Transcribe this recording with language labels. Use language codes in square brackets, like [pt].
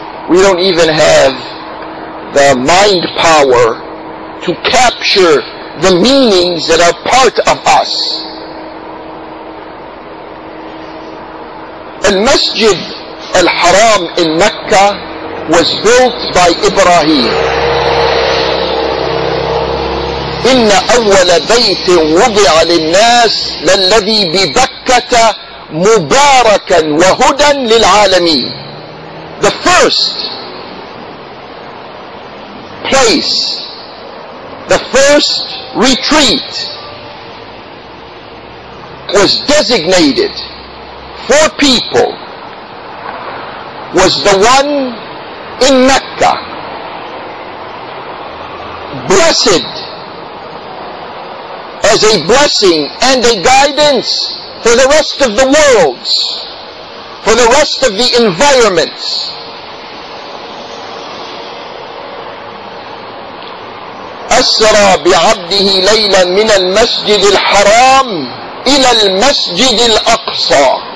[en] We don't even have the mind power to capture the meanings that are part of us. Al-Masjid Al-Haram in Mecca was built by Ibrahim. [ar] إن أول بيت وضع للناس للذي ببكة مباركا وهدى للعالمين. [en] The first place, the first retreat was designated for people was the one in Mecca. Blessed as a blessing and a guidance for the rest of the worlds, for the rest of the environments. [ar] أسرى بعبده ليلا من المسجد الحرام إلى المسجد الأقصى.